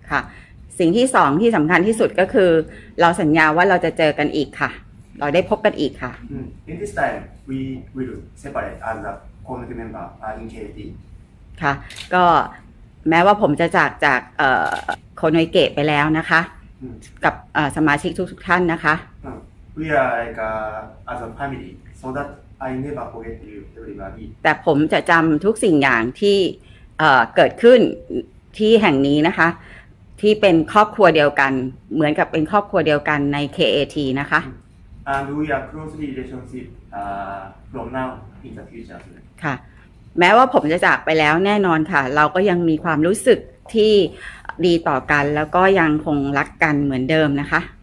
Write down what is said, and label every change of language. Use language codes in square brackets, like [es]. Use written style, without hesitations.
[th] ค่ะสิ่งที่สองที่สำคัญที่สุดก็คือเราสัญญาว่าเราจะเจอกันอีกค่ะเราได้พบกันอีกค่ะ [en] In this time we will separate as a community member in KT [th] ค่ะก็แม้ว่าผมจะจากโคโนเกะไปแล้วนะคะกับสมาชิกทุกท่านนะคะ [en] We are like as a family so that I never forget you everybody [th] แต่ผมจะจำทุกสิ่งอย่างที่เกิดขึ้นที่แห่งนี้นะคะที่เป็นครอบครัวเดียวกันเหมือนกับเป็นครอบครัวเดียวกันใน KAT นะคะ [en] And we are closely relationship from now in the future [th] ค่ะแม้ว่าผมจะจากไปแล้วแน่นอนค่ะเราก็ยังมีความรู้สึกที่ดีต่อกันแล้วก็ยังคงรักกันเหมือนเดิมนะคะ